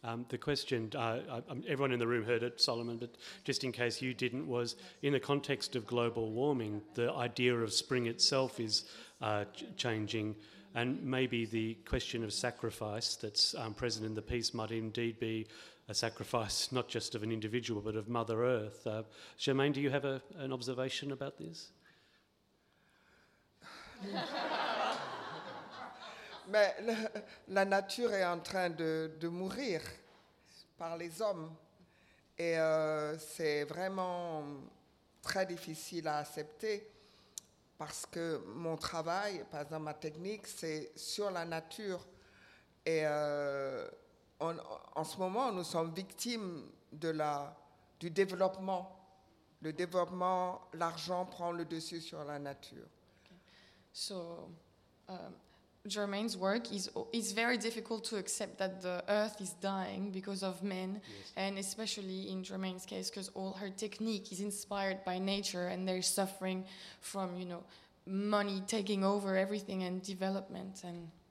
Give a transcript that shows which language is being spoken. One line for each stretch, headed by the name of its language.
English: The question, everyone in the room heard it, Solomon, but just in case you didn't, was in the context of global warming, the idea of spring itself is changing. And maybe the question of sacrifice that's present in the piece might indeed be a sacrifice not just of an individual, but of Mother Earth. Germaine, do you have an observation about this?
French: Mais la nature est en train de mourir par les hommes. Et c'est vraiment très difficile à accepter. Parce que mon travail, par exemple ma technique, c'est sur la nature. Et en ce moment, nous sommes victimes du développement. Le développement, l'argent prend le dessus sur la nature.
English: Okay. So, Germaine's work is very difficult to accept that the earth is dying because of men. Yes. And especially in Germaine's case, because all her technique is inspired by nature and they're suffering from, you know, money taking over everything and development and